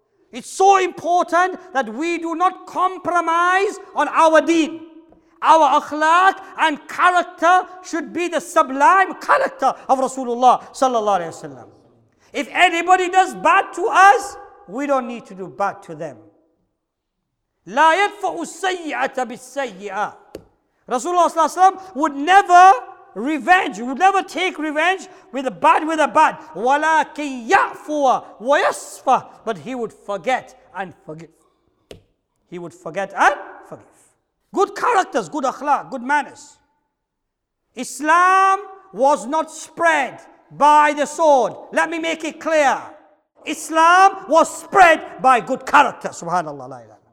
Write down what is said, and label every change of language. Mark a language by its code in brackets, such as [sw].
[en] It's so important that we do not compromise on our deen. Our akhlaq and character should be the sublime character of Rasulullah sallallahu alaihi wasallam. If anybody does bad to us, we don't need to do bad to them. [ar] لا يدفع السيئة بالسيئة. [en] Rasulullah ﷺ would never revenge, would never take revenge with a bad with a bad. [ar] ولكن يعفو ويصفى. [en] But he would forget and forgive. He would forget and forgive. Good characters, good akhlaq, good manners. Islam was not spread by the sword. Let me make it clear. Islam was spread by good character. SubhanAllah.